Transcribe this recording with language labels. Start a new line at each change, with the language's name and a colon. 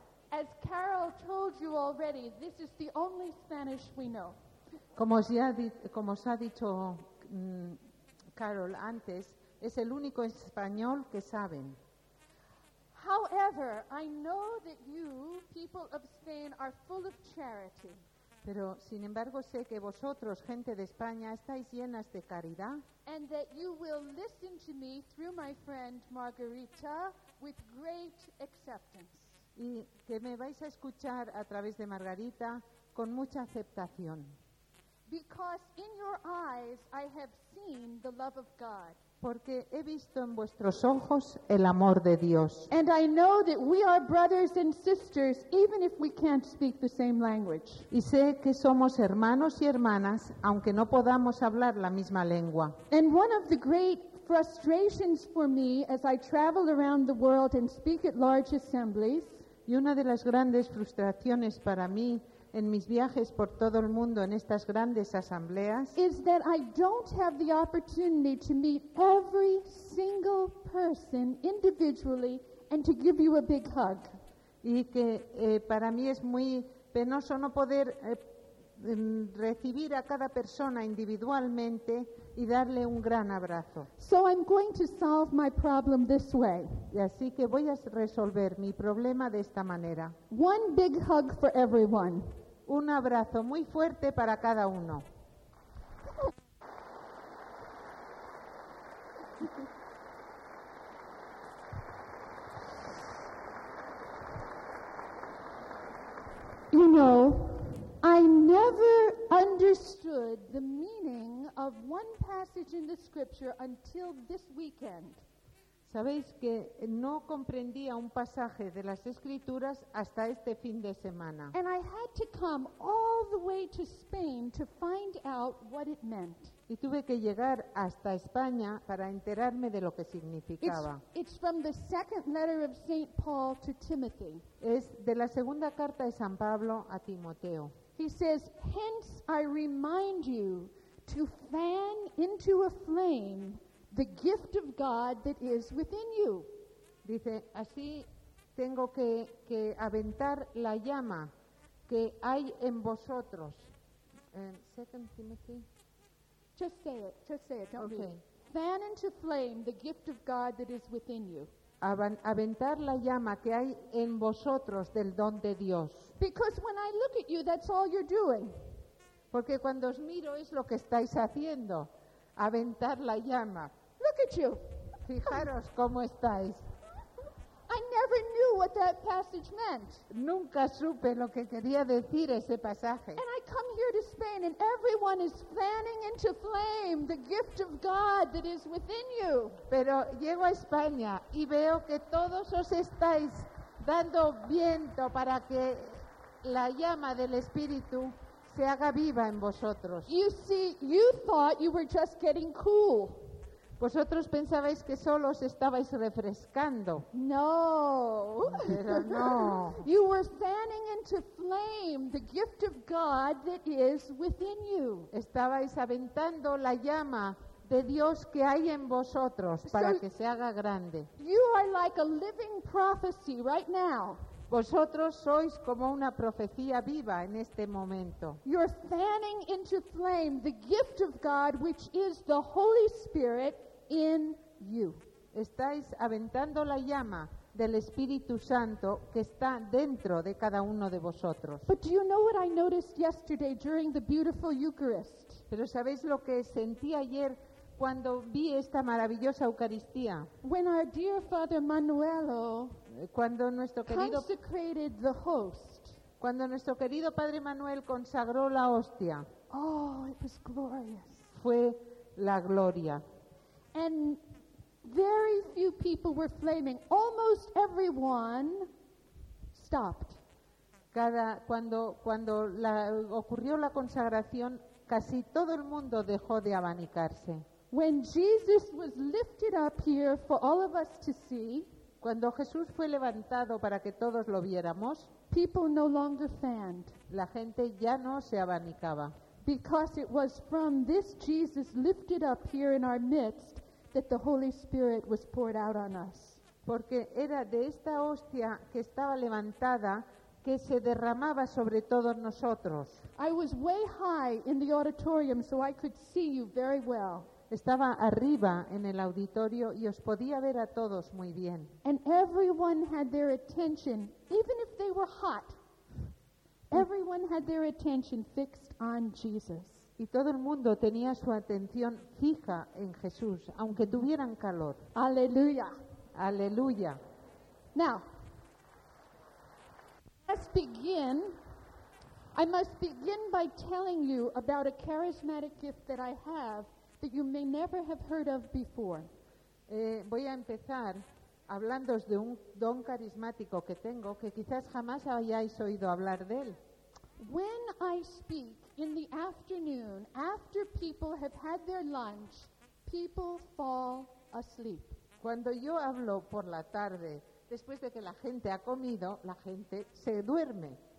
English: As Carol told you already, this is the only Spanish we know.
Spanish: Como os ha dicho Carol antes, es el único español que saben.
English: However, I know that you, people of Spain, are full of charity.
Spanish: Pero, sin embargo, sé que vosotros, gente de España, estáis llenas de caridad.
English: And that you will listen to me through my friend Margarita with great acceptance.
Spanish: Y que me vais a escuchar a través de Margarita con mucha aceptación.
English: Because in your eyes I have seen the love of God.
Spanish: Porque he visto en vuestros ojos el amor de Dios.
English: And I know that we are brothers and sisters, even if we can't speak the same language.
Spanish: Y sé que somos hermanos y hermanas, aunque no podamos hablar la misma lengua.
English: And one of the great frustrations for me as I travel around the world and speak at large assemblies.
Spanish: Y una de las grandes frustraciones para mí en mis viajes por todo el mundo en estas grandes asambleas
English: is that I don't have the opportunity to meet every single person individually and to give you a big hug.
Spanish: Y que para mí es muy penoso no poder recibir a cada persona individualmente y darle un gran abrazo.
English: So I'm going to solve my problem this way.
Spanish: Y así que voy a resolver mi problema de esta manera.
English: One big hug for everyone.
Spanish: Un abrazo muy fuerte para cada uno.
English: You know, I never understood the meaning of one passage in the scripture until this weekend.
Spanish: Sabéis que no comprendía un pasaje de las escrituras hasta este fin de semana.
English: And I had to come all the way to Spain to find out what it meant.
Spanish: Y tuve que llegar hasta España para enterarme de lo que significaba.
English: It's from the second letter of Saint Paul to Timothy.
Spanish: Es de la segunda carta de San Pablo a Timoteo.
English: He says, "Hence I remind you to fan into a flame the gift of God that is within you."
Spanish: Dice, así tengo que aventar la llama que hay en vosotros.
English: Second Timothy. Just say it. Don't okay. Me. Fan into flame the gift of God that is within you.
Spanish: Aventar la llama que hay en vosotros del don de Dios.
English: Because when I look at you, that's all you're doing.
Spanish: Porque cuando os miro es lo que estáis haciendo. Aventar la llama.
English: Look at you.
Spanish: Fijaros cómo estáis.
English: I never knew what that passage meant.
Spanish: Nunca supe lo que quería decir ese pasaje.
English: And I come here to Spain and everyone is fanning into flame the gift of God that is within you.
Spanish: Pero llego a España y veo que todos os estáis dando viento para que la llama del Espíritu se haga viva en vosotros.
English: You see, you thought you were just getting cool.
Spanish: Vosotros pensabais que solo os estabais refrescando.
English: No.
Spanish: Pero no.
English: You were fanning into flame the gift of God that is within you.
Spanish: Estabais aventando la llama de Dios que hay en vosotros para que se haga grande.
English: You are like a living prophecy right now.
Spanish: Vosotros sois como una profecía viva en este momento.
English: You're fanning into flame the gift of God which is the Holy Spirit in you.
Spanish: Estáis aventando la llama del Espíritu Santo que está dentro de cada uno de vosotros.
English: But do you know what I noticed yesterday during the beautiful Eucharist?
Spanish: Pero ¿sabéis lo que sentí ayer cuando vi esta maravillosa Eucaristía?
English: When our dear Father Manuelo,
Spanish: cuando nuestro querido
English: consecrated the host,
Spanish: cuando nuestro querido Padre Manuel consagró la hostia.
English: Oh, it was glorious.
Spanish: Fue la gloria.
English: And very few people were flaming. Almost everyone stopped.
Spanish: Cuando ocurrió la consagración, casi todo el mundo dejó de abanicarse.
English: When Jesus was lifted up here for all of us to see,
Spanish: cuando Jesús fue levantado para que todos lo viéramos,
English: people no longer fanned.
Spanish: La gente ya no se abanicaba.
English: Because it was from this Jesus lifted up here in our midst that the Holy Spirit was poured out on us.
Spanish: Porque era de esta hostia que estaba levantada que se derramaba sobre todos nosotros.
English: I was way high in the auditorium so I could see you very well.
Spanish: Estaba arriba en el auditorio y os podía ver a todos muy bien.
English: And everyone had their attention, even if they were hot. Everyone had their attention fixed on Jesus.
Spanish: Y todo el mundo tenía su atención fija en Jesús, aunque tuvieran calor. Aleluya. Aleluya.
English: Now, I must begin by telling you about a charismatic gift that I have that you may never have heard of before.
Spanish: Voy a empezar hablándoos de un don carismático que tengo que quizás jamás hayáis oído hablar de él.
English: When I speak in the afternoon, after people have had their lunch, people fall asleep.
Spanish: Cuando yo hablo por la tarde, después de que la gente ha comido, la gente se duerme.